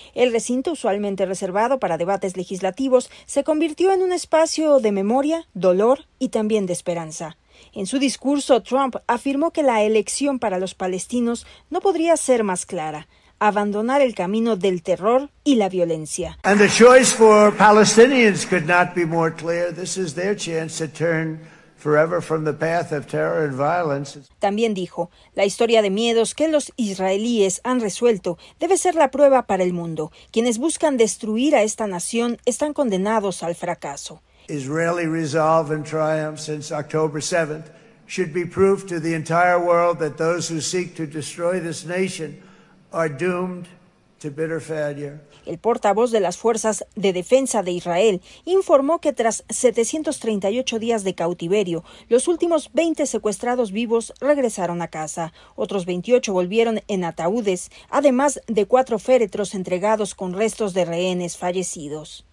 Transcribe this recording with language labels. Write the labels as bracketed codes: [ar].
[es] El recinto, usualmente reservado para debates legislativos, se convirtió en un espacio de memoria, dolor y también de esperanza. En su discurso, Trump afirmó que la elección para los palestinos no podría ser más clara: abandonar el camino del terror y la violencia. [en] And the choice for Palestinians could not be more clear. This is their chance to turn forever from the path of terror and violence. [es] También dijo: la historia de miedos que los israelíes han resuelto debe ser la prueba para el mundo. Quienes buscan destruir a esta nación están condenados al fracaso. [en] Israeli resolve and triumph since October 7th should be proof to the entire world that those who seek to destroy this nation are doomed to bitter failure. [es] El portavoz de las Fuerzas de Defensa de Israel informó que tras 738 días de cautiverio, los últimos 20 secuestrados vivos regresaron a casa. Otros 28 volvieron en ataúdes, además de 4 féretros entregados con restos de rehenes fallecidos.